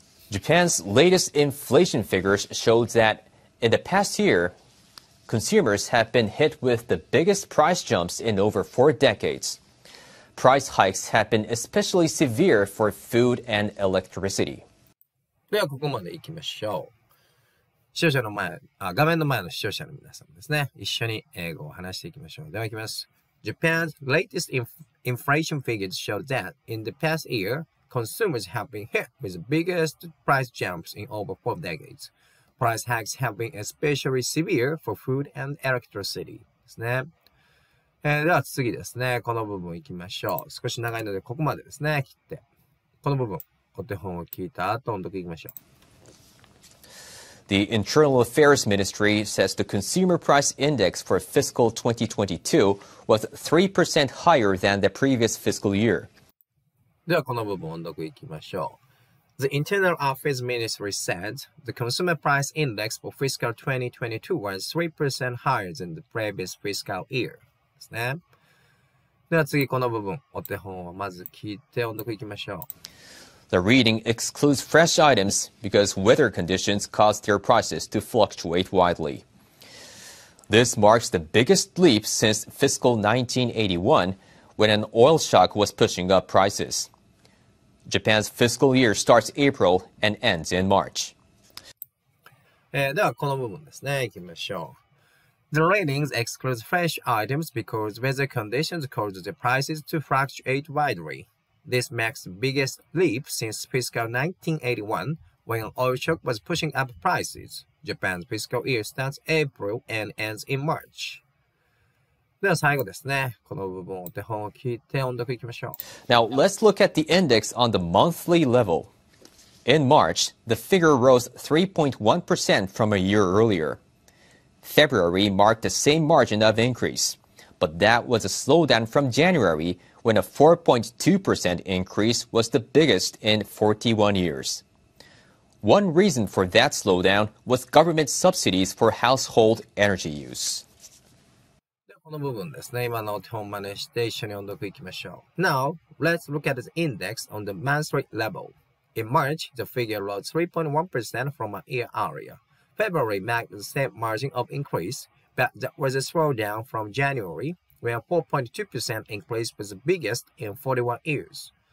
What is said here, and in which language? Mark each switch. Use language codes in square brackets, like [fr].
[en] Japan's latest inflation figures show that in the past year, consumers have been hit with the biggest price jumps in over four decades. Price hikes have been especially severe for food and electricity. [ja] ではここまで行きましょう。視聴者の前、画面の前の視聴者の皆さんですね、一緒に英語を話していきましょう。では行きます。 [en] Japan's latest inflation figures show that in the past year,Consumers have been hit with the biggest price jumps in over four decades. Price hikes have been especially severe for food and electricity. [ja] ですね。では次ですね。この部分いきましょう。少し長いのでここまでですね。切って。この部分、お手本を聞いた後、音読いきましょう。 [en] The Internal Affairs Ministry says the Consumer Price Index for fiscal 2022 was 3% higher than the previous fiscal year. [ja] ではこの部分を読んでいきましょう。 [en] The Internal Affairs Ministry said the Consumer Price Index for fiscal 2022 was 3% higher than the previous fiscal year. [ja] ですね。では次この部分、お手本をまず聞いて読んでいきましょう。 [en] The reading excludes fresh items because weather conditions caused their prices to fluctuate widely. This marks the biggest leap since fiscal 1981 when an oil shock was pushing up prices. Japan's fiscal year starts April and ends in March. [ja] ではこの部分ですね、いきましょう。 [en] The ratings exclude fresh items because weather conditions cause the prices to fluctuate widely. This makes the biggest leap since fiscal 1981 when an oil shock was pushing up prices. Japan's fiscal year starts April and ends in March. [ja] では最後ですね、この部分を手本を聞いて音読いきましょう。 [en] Now, let's look at the index on the monthly level. In March, the figure rose 3.1% from a year earlier. February marked the same margin of increase. But that was a slowdown from January, when a 4.2% increase was the biggest in 41 years. One reason for that slowdown was government subsidies for household energy use. [ja] この部分ですね、今の手本真似して一緒に音読いきましょう。 [en] Now, let's look at the index on the monthly level. In March, the figure rose 3.1% from a year earlier. February marked the same margin of increase, but that was a slowdown from January, where a 4.2% increase was the biggest in 41 years.